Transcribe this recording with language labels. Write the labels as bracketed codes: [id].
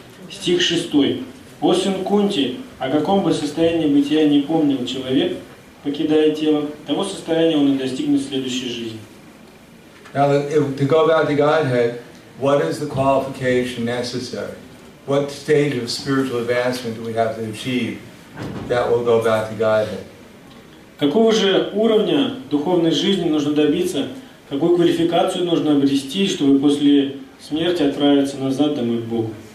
[ru] Стих шестой. О сын Кунти, о каком бы состоянии бытия не помнил человек, покидая тело, того состояния он и достигнет в следующей жизни. [en] Now, to go back to Godhead, what is the qualification necessary? What stage of spiritual advancement do we have to achieve that will go back to Godhead? [ru] Какого же уровня духовной жизни нужно добиться? Какую квалификацию нужно обрести, чтобы после смерти отправиться назад домой к Богу?